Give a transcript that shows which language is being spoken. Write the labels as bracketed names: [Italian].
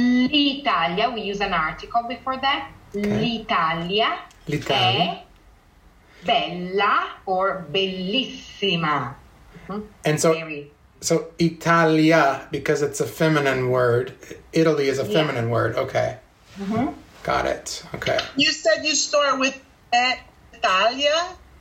[English] L'Italia, we use an article before that. Okay. [Italian] L'Italia è bella or bellissima. [English] And so, so Italia, because it's a feminine word, Italy is a feminine word. Okay. Mm-hmm. Got it. Okay. You said you start with Italia.